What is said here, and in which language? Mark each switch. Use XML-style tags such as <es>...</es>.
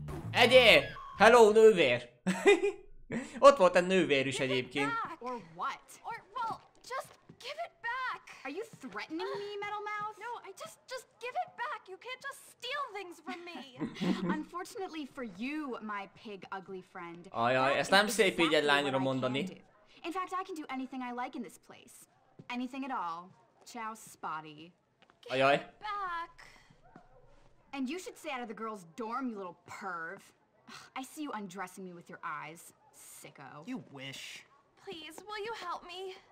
<hu>Egyé! Hello, nővér! Ott volt egy nővér is egyébként.</hu> <en>Or what? Or, well, just give it back! Are you threatening me, Metal Mouth? No, I just give it back! You can't just steal things from me! Unfortunately for you, my pig ugly friend.</en> <hu>Ajaj, ezt nem szép így egy lányra mondani.</hu> <en>In fact, I can do anything I like in this place. Anything at all.</en> <hu>Ciao, Spotty. Ajaj.</hu> <en>And you should stay out of the girls' dorm, you little perv. I see you undressing me with your eyes, sicko. You wish. Please, will you help me?</en>